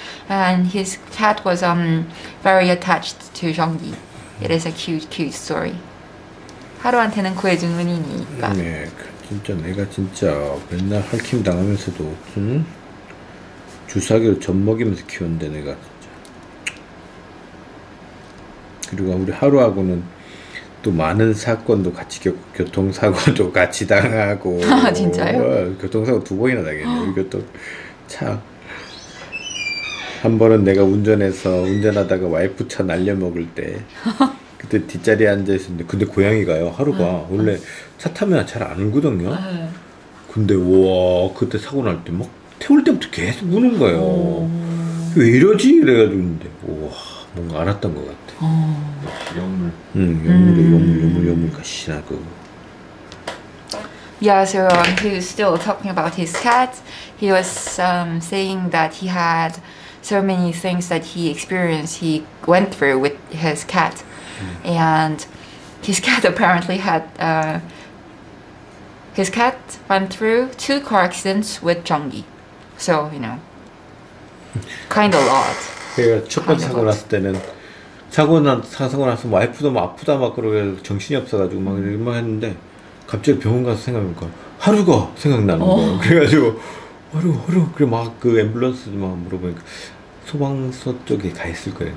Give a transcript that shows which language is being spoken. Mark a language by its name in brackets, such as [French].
[English] And his cat was very attached to Zhonggi. It is a cute, cute story. [Korean] 하루한테는 구해준 은인이니까. 네, 진짜 내가 진짜 맨날 할킴 당하면서도 주사기를 젖먹이면서 키웠는데 내가 진짜. 그리고 우리 하루하고는 또 많은 사건도 같이 겪고 교통사고도 같이 당하고. 아, 진짜요? 교통사고 두 번이나 당했네. 이것도 참. 한 번은 내가 운전해서 운전하다가 와이프 차 날려먹을 때 그때 뒷자리에 앉아있었는데 근데 고양이가요 하루가 원래 차 타면 잘 안 울거든요. 근데 우와 그때 사고 날 때 막 태울 때부터 계속 우는 거예요. 왜 이러지? 이래가지고 근데 우와 뭔가 알았던 것 같아. 영물. 응 영물이 영물 가시나 그. [English] Yeah, so he was still talking about his cat. He was saying that he had so many things that he experienced, he went through with his cat. And his cat apparently had, his cat went through two car accidents with Zhonggi. So, you know, kind of a lot. [Korean] 제가 첫 번 사고 났을 때는 사고 나서 와이프도 막 아프다 막 그러고 정신이 없어가지고 막 이렇게 막 했는데 갑자기 병원 가서 생각하니까 하루가 생각나는 거예요. 그래가지고 하루 그래 막 그 앰뷸런스 막 물어보니까 소방서 쪽에 가 있을 거예요.